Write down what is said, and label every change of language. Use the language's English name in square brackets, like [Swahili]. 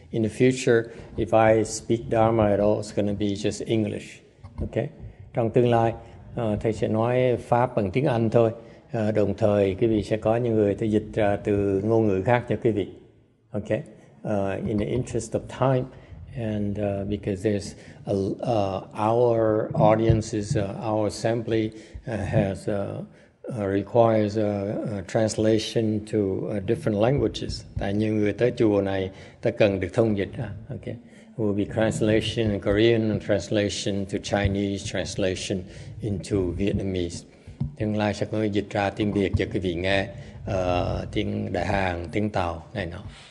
[English] In the future, if I speak Dharma at all, it's going to be just English. Okay? [Vietnamese] Trong tương lai, thầy sẽ nói Pháp bằng tiếng Anh thôi. Đồng thời, quý vị sẽ có những người thầy dịch ra từ ngôn ngữ khác cho quý vị. [English] Okay? In the interest of time, and because there's our audience is our assembly has requires a translation to different languages. [Vietnamese] Tại như người tới chùa này ta cần được thông dịch. [English] Okay, will be translation in Korean, translation to Chinese, translation into Vietnamese. [Vietnamese] Tương lai sẽ có dịch ra tiếng Việt cho quý vị nghe, tiếng Đại Hàn, tiếng Tàu này nọ.